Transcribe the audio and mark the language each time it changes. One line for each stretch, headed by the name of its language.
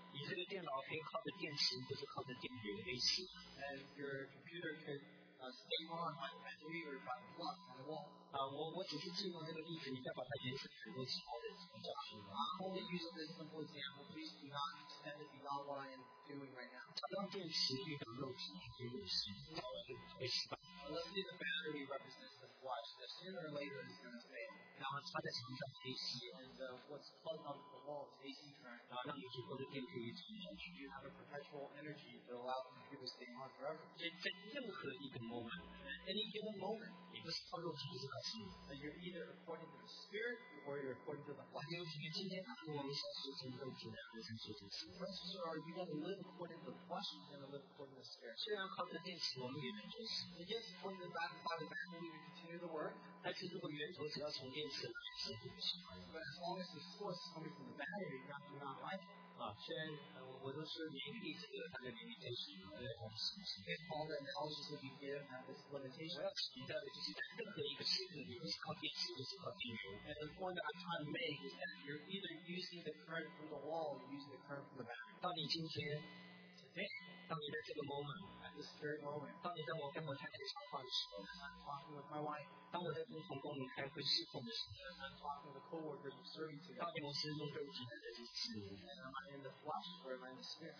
Chinese: 你这个电脑可以靠着电池，不是靠着电源 AC.
English: And your computer could stay on by the battery or by the plug on the wall.
Chinese: 我只是借用这个例子，你再把它延伸成更小的情况。
English: I'm only using this simple example. Please do not extend it beyond what I am doing right now.
Chinese: 它让电池遇到肉体，也有时会失败。
English: Let's see the battery represents the flesh. The sooner or later it's going to fail. Now it's plugged into the AC. And what's plugged onto the wall is AC current. Now you can put it in the AC. You have a perpetual energy that allows the computer to stay on forever. At any given moment, you're either according to the spirit or you're according to the flesh. Friends, are you going to live according to the flesh or are you going to live according to the spirit? So you're going to call the AC one unit. Yes. According to that, by the battery, we continue the work. But as long as the source is coming from the battery, you're not right. All the analogies that you give have this limitation. And the point that I'm trying to make is that you're either using the current from the wall or using the current from the battery.
Chinese: 当你在这个
English: moment, at this very moment,
Chinese: 当你在我跟我太太讲话的时候
English: I'm talking with my wife,
Chinese: 当我在跟同工开会侍奉的时候
English: I'm talking with a co-worker who's serving today,
Chinese: 当你我是用肉体的人是是
English: am I in the flesh or am I in the spirit?